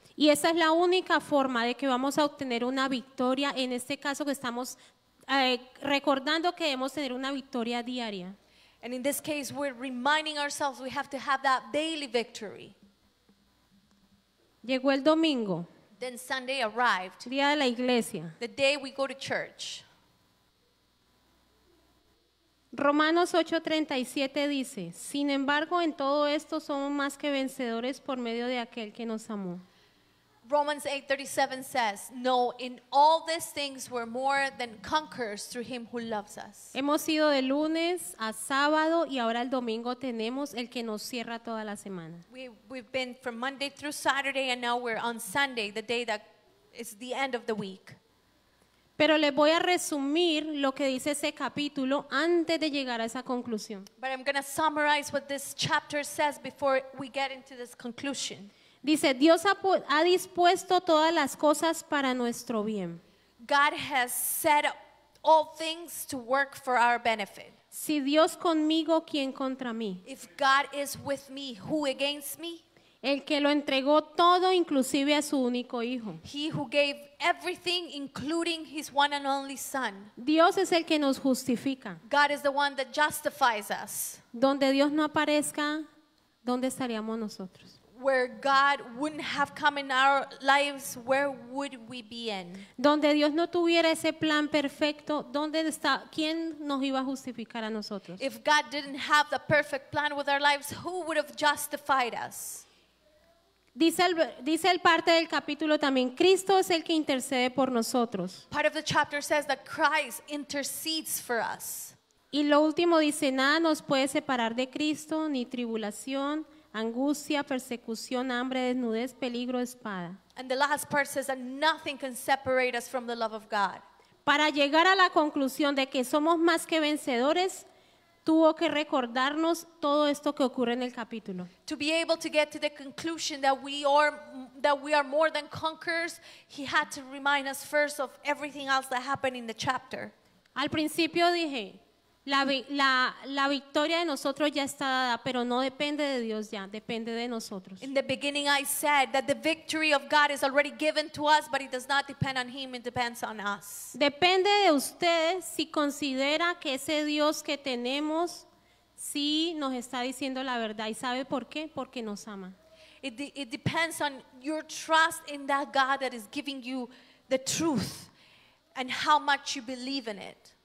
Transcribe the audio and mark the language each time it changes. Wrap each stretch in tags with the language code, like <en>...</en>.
<es>Y esa es la única forma de que vamos a obtener una victoria en este caso que estamos recordando que debemos tener una victoria diaria.</es> <en>And in this case we're reminding ourselves we have to have that daily victory.</en> <es>Llegó el domingo.</es> <en>Then Sunday arrived.</en> <es>Día de la iglesia.</es> <en>The day we go to church.</en> <es>Romanos 8:37 dice, "Sin embargo, en todo esto somos más que vencedores por medio de aquel que nos amó."</es> <en>Romans 8:37 says, "No, in all these things we're more than conquerors through him who loves us."</en> <es>Hemos ido de lunes a sábado y ahora el domingo tenemos el que nos cierra toda la semana.</es> <en>We've been from Monday through Saturday and now we're on Sunday, the day that is the end of the week.</en> <es>Pero les voy a resumir lo que dice ese capítulo antes de llegar a esa conclusión.</es> <en>But I'm going to summarize what this chapter says before we get into this conclusion.</en> <es>Dice, Dios ha dispuesto todas las cosas para nuestro bien.</es> <en>God has set all things to work for our benefit.</en> <es>Si Dios conmigo, ¿quién contra mí?</es> <en>If God is with me, who against me?</en> <es>El que lo entregó todo, inclusive a su único hijo.</es> <en>He who gave everything, including his one and only son.</en> <es>Dios es el que nos justifica.</es> <en>God is the one that justifies us.</en> <es>Donde Dios no aparezca, ¿dónde estaríamos nosotros?</es> <en>Where God wouldn't have come in our lives, where would we be in?</en> <es>Donde Dios no tuviera ese plan perfecto, ¿dónde está? ¿Quién nos iba a justificar a nosotros?</es> <en>If God didn't have the perfect plan with our lives, who would have justified us?</en> <es>Dice el parte del capítulo también, Cristo es el que intercede por nosotros.</es> <en>Part of the chapter says that Christ intercedes for us.</en> <es>Y lo último dice, nada nos puede separar de Cristo, ni tribulación, angustia, persecución, hambre, desnudez, peligro, espada.</es> <en>And the last part says that nothing can separate us from the love of God.</en> <es>Para llegar a la conclusión de que somos más que vencedores, tuvo que recordarnos todo esto que ocurre en el capítulo.</es> <en>To be able to get to the conclusion that we are more than conquerors, he had to remind us first of everything else that happened in the chapter.</en> <es>Al principio dije, La victoria de nosotros ya está dada, pero no depende de Dios ya, depende de nosotros.</es> <en>In the beginning I said that the victory of God is already given to us, but it does not depend on him, it depends on us.</en> <es>Depende de ustedes si considera que ese Dios que tenemos sí nos está diciendo la verdad. ¿Y sabe por qué? Porque nos ama.</es> <en>It depends on your trust in that God that is giving you the truth and how much you believe in it.</en>